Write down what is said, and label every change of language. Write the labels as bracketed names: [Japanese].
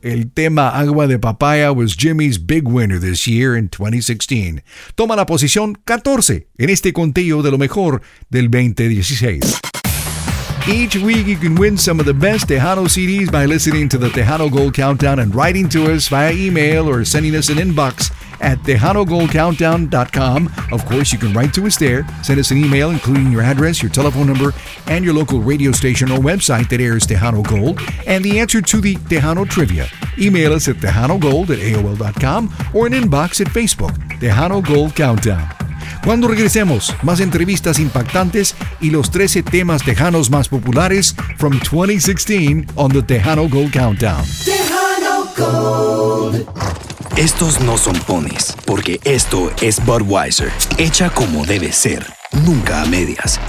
[English] El tema Agua de Papaya was Jimmy's big winner this year in 2016. [Spanish] Toma la posición 14 en este conteo de lo mejor del 2016. [English] Each week you can win some of the best Tejano CDs by listening to the Tejano Gold Countdown and writing to us via email or sending us an inbox at TejanoGoldCountdown.com. Of course, you can write to us there. Send us an email, including your address, your telephone number, and your local radio station or website that airs Tejano Gold, and the answer to the Tejano Trivia. Email us at TejanoGold@AOL.com or an inbox at Facebook, Tejano Gold Countdown. [Spanish] Cuando regresemos, más entrevistas impactantes y los 13 temas tejanos más populares [English] from 2016 on the Tejano Gold Countdown. Tejano Gold. [Spanish] Estos no son ponis, porque esto es Budweiser, hecha como debe ser, nunca a medias.